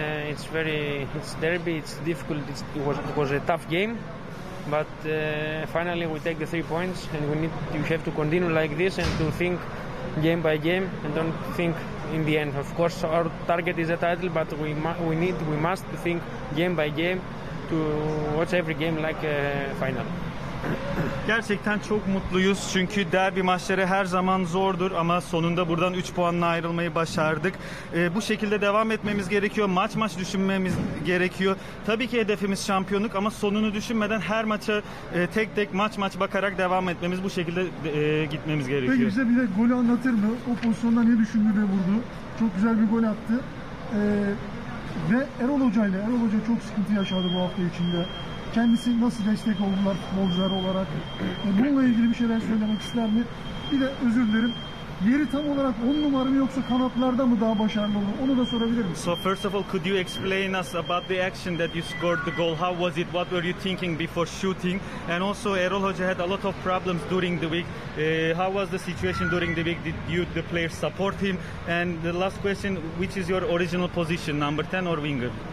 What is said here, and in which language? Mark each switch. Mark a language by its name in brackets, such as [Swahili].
[English] It's derby, it's difficult, it was a tough game, but finally we take the 3 points and we have to continue like this and to think game by game and don't think in the end. Of course our target is a title, but we must think game by game to watch every game like a final. [Turkish] Gerçekten çok mutluyuz çünkü derbi maçları her zaman zordur ama sonunda buradan 3 puanla ayrılmayı başardık. Bu şekilde devam etmemiz gerekiyor, maç maç düşünmemiz gerekiyor. Tabii ki hedefimiz şampiyonluk ama sonunu düşünmeden her maça tek tek maç maç bakarak devam etmemiz, bu şekilde gitmemiz gerekiyor. Peki bize bir de golü anlatır mı? O pozisyonda ne düşündü ve vurdu? Çok güzel bir gol attı. Ve Erol Hoca çok sıkıntı yaşadı bu hafta içinde. Kendisi nasıl destek oldular futbolcular olarak? Bununla ilgili bir şeyler söylemek ister mi? Bir de özür dilerim. Yeri tam olarak 10 numara mı yoksa kanatlarda mı daha başarılı olur? Onu da sorabilir miyim? [English] So first of all, could you explain us about the action that you scored the goal? How was it? What were you thinking before shooting? And also Erol Hoca had a lot of problems during the week. How was the situation during the week? Did you, the players, support him? And the last question, which is your original position, number 10 or winger?